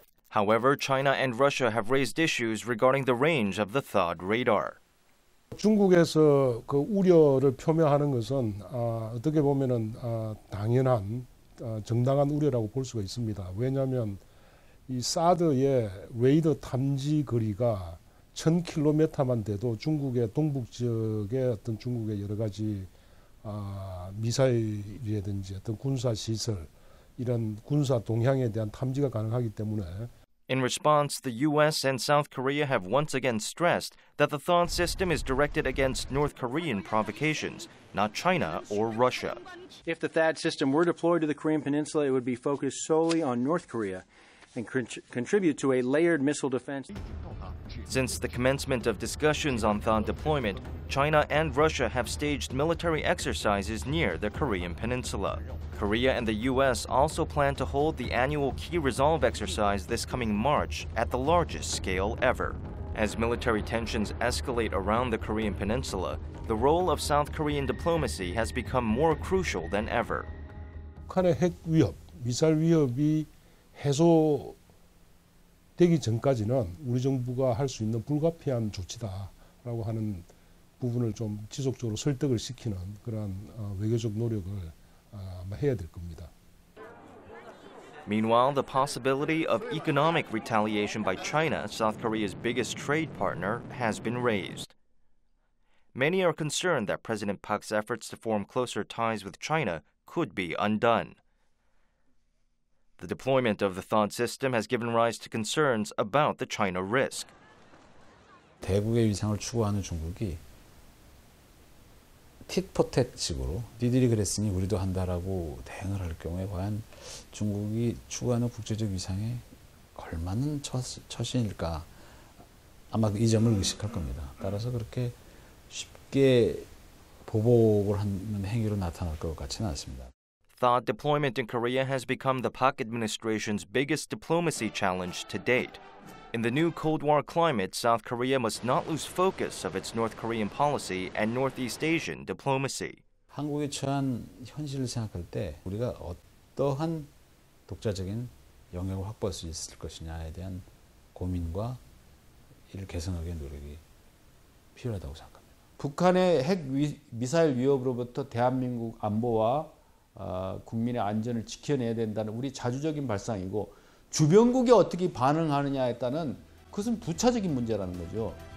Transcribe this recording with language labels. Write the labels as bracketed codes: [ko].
[en] However, China and Russia have raised issues regarding the range of the THAAD radar. [ko] 중국에서 그 우려를 표명하는 것은 어떻게 보면은 당연한 정당한 우려라고 볼 수가 있습니다. 왜냐하면 이 사드의 레이더 탐지 거리가 천 킬로미터만 돼도 중국의 동북 지역에 어떤 중국의 여러 가지 미사일이라든지 어떤 군사 시설 이런 군사 동향에 대한 탐지가 가능하기 때문에. [en] In response, the U.S. and South Korea have once again stressed that the THAAD system is directed against North Korean provocations, not China or Russia. If the THAAD system were deployed to the Korean Peninsula, it would be focused solely on North Korea and contribute to a layered missile defense. Since the commencement of discussions on THAAD deployment, China and Russia have staged military exercises near the Korean Peninsula. Korea and the U.S. also plan to hold the annual Key Resolve exercise this coming March at the largest scale ever. As military tensions escalate around the Korean Peninsula, the role of South Korean diplomacy has become more crucial than ever. [ko] 북한의 핵 위협, 미사일 위협이 해소되기 전까지는 우리 정부가 할 수 있는 불가피한 조치다라고 하는 부분을 좀 지속적으로 설득을 시키는 그러한 외교적 노력을 아마 해야 될 겁니다. [en] Meanwhile, the possibility of economic retaliation by China, South Korea's biggest trade partner, has been raised. Many are concerned that President Park's efforts to form closer ties with China could be undone. The deployment of the THAAD system has given rise to concerns about the China risk. [ko] 대국의 위상을 추구하는 중국이 티포텟식으로 니들이 그랬으니 우리도 한다라고 대응을 할 경우에 과연 중국이 추구하는 국제적 위상에 걸맞는 처신일까 아마 이 점을 의식할 겁니다. 따라서 그렇게 쉽게 보복을 하는 행위로 나타날 것 같지는 않습니다. [en] THAAD deployment in Korea has become the Park administration's biggest diplomacy challenge to date. In the new Cold War climate, South Korea must not lose focus of its North Korean policy and Northeast Asian diplomacy. [ko] 한국의 처한 현실을 생각할 때 우리가 어떠한 독자적인 영역을 확보할 수 있을 것이냐에 대한 고민과 이를 개선하기 위한 노력이 필요하다고 생각합니다. 북한의 핵 미사일 위협으로부터 대한민국 안보와 국민의 안전을 지켜내야 된다는 우리 자주적인 발상이고 주변국이 어떻게 반응하느냐에 따른 그것은 부차적인 문제라는 거죠.